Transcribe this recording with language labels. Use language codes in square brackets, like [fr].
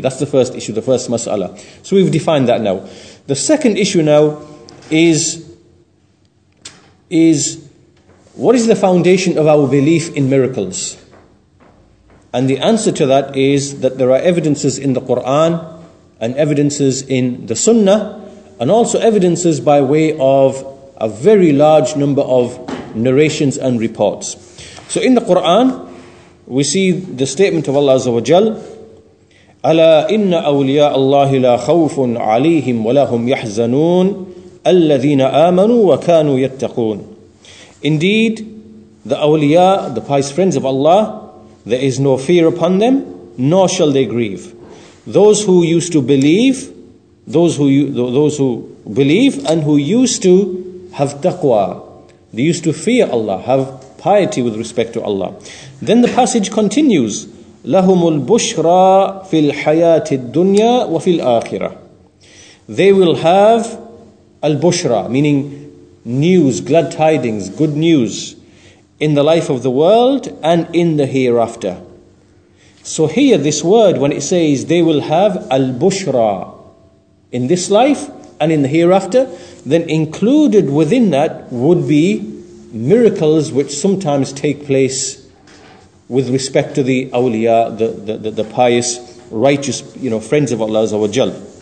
[en] That's the first issue, the first mas'ala. So we've defined that now. The second issue now is what is the foundation of our belief in miracles? And the answer to that is that there are evidences in the Quran and evidences in the Sunnah and also evidences by way of a very large number of narrations and reports. So in the Quran, we see the statement of Allah Azza wa Jal, [ar] أَلَا إِنَّ أَوْلِيَاءَ اللَّهِ لَا خَوْفٌ عَلَيْهِمْ وَلَا هُمْ يَحْزَنُونَ الَّذِينَ آمَنُوا وَكَانُوا يَتَّقُونَ. [en] Indeed, the awliya, the pious friends of Allah, there is no fear upon them, nor shall they grieve. Those who used to believe, those who believe and who used to have taqwa, they used to fear Allah, have piety with respect to Allah. Then the passage continues, [ar] لَهُمُ الْبُشْرَى فِي الْحَيَاةِ الدُّنْيَا وَفِي الْآخِرَةِ. [en] They will have al-bushra, meaning news, glad tidings, good news, in the life of the world and in the hereafter. So here this word, when it says they will have al-bushra in this life and in the hereafter, then included within that would be miracles which sometimes take place with respect to the awliya, the pious, righteous, you know, friends of Allah Azza wa Jal.